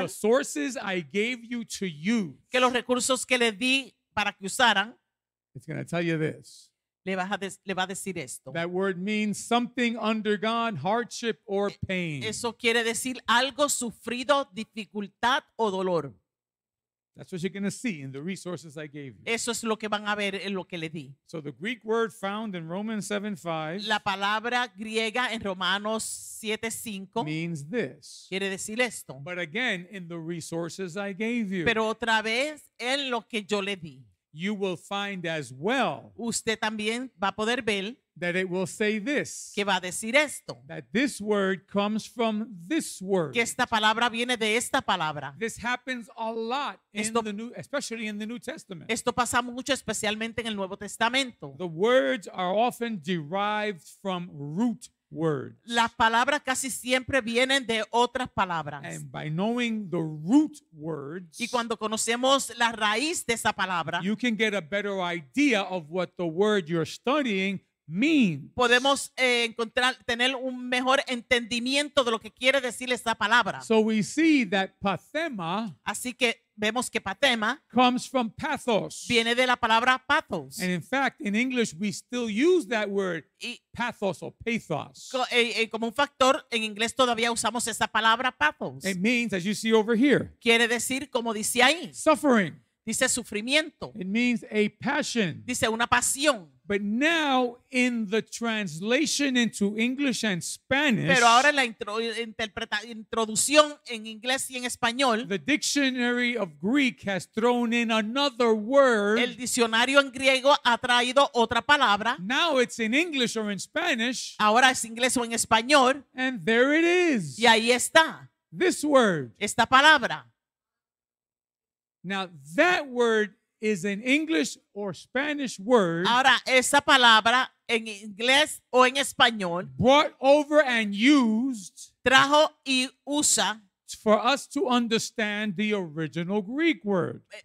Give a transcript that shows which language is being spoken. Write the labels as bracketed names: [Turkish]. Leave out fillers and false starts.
[English] In the sources I gave you to use. [Spanish] Que los recursos que le di para que usaran. [English] It's going to tell you this. [Spanish] Le va a decir esto. [English] That word means something undergone, hardship or pain. [Spanish] Eso quiere decir algo sufrido, dificultad o dolor. [English] That's what you're going to see in the resources I gave you. [Spanish] Eso es lo que van a ver en lo que le di. [English] So the Greek word found in Romans 7:5. [Spanish] La palabra griega en Romanos 7:5. [English] Means this. [Spanish] Quiere decir esto. [English] But again, in the resources I gave you. [Spanish] Pero otra vez en lo que yo le di. [English] You will find as well. [Spanish] Usted también va a poder ver. [English] That it will say this. [Spanish] Que va a decir esto. [English] That this word comes from this word. [Spanish] Que esta palabra viene de esta palabra. [English] This happens a lot [Spanish] esto, [English] in the New, especially in the New Testament. [Spanish] Esto pasa mucho, especialmente en el Nuevo Testamento. [English] The words are often derived from root words. [Spanish] Las palabras casi siempre vienen de otras palabras. [English] And by knowing the root words, [Spanish] y cuando conocemos la raíz de esa palabra, [English] you can get a better idea of what the word you're studying means. [Spanish] Podemos encontrar tener un mejor entendimiento de lo que quiere decir esa palabra. [English] So we see that pathema. [Spanish] Así que vemos que pathema [English] comes from pathos. [Spanish] Viene de la palabra pathos. [English] And in fact, in English, we still use that word pathos or pathos. [Spanish] Como un factor, en inglés todavía usamos esa palabra pathos. [English] It means, as you see over here, [Spanish] quiere decir como dice ahí, [English] suffering. [Spanish] Dice sufrimiento. [English] It means a passion. [Spanish] Dice una pasión. [English] But now in the translation into English and Spanish, [Spanish] pero ahora la introducción en inglés y en español, [English] the dictionary of Greek has thrown in another word. [Spanish] El diccionario en griego ha traído otra palabra. [English] Now it's in English or in Spanish. [Spanish] Ahora es inglés o en español. [English] And there it is. [Spanish] Y ahí está. [English] This word. [Spanish] Esta palabra. [English] Now that word is an English or Spanish word. [Spanish] Ahora, esa palabra en inglés o en español. [English] Brought over and used. [Spanish] Trajo y usa. [English] For us to understand the original Greek word.